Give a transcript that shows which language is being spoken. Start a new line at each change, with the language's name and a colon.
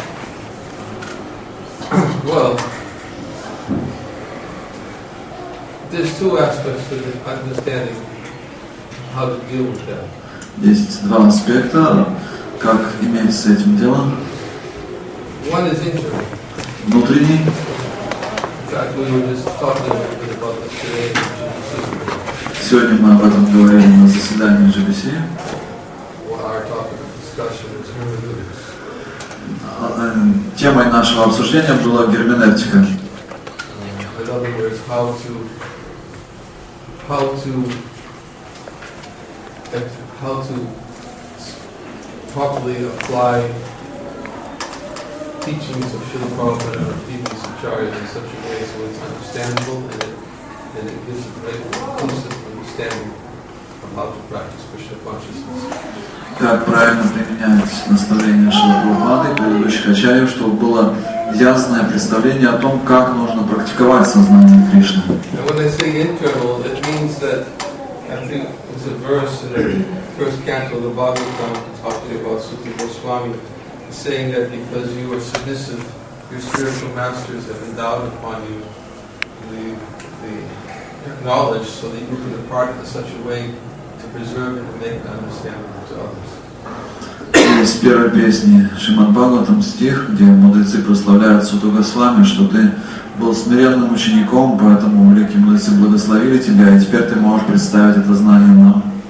English: Well, there's two aspects to the understanding how to deal with that.
Russian: Есть два аспекта, как иметь с этим дело.
English: One is internal.
Russian: Внутренний.
English: In fact, we were just talking a bit about this today in the GBC.
Russian: Сегодня мы об этом говорили на заседании GBC.
English: Our topic of discussion is hermeneutics.
Russian: Темой нашего обсуждения была герменевтика.
English: In other words, how to properly apply teachings of Srila Prabhupada or teachings of Acharyas in such a way so it's understandable and it gives a great inclusive understanding of how to practice Krishna consciousness.
Russian: Как правильно применять наставление Шрила Прабхупады, предыдущих ачарьев, чтобы было ясное представление о том, как нужно практиковать сознание Кришны.
English: And when I say internal, that means that I think it's a verse in the first canto of the Bhagavatam talking about Suti Goswami saying that because you are submissive, your spiritual masters have endowed upon you the knowledge so that you can impart it in such a way to preserve it and make it understandable.
Russian: Из первой песни Шримад-Бхагаватам стих, где мудрецы прославляют Суту Госвами, что ты был смиренным учеником, поэтому великие мудрецы благословили тебя, и теперь ты можешь представить это знание нам.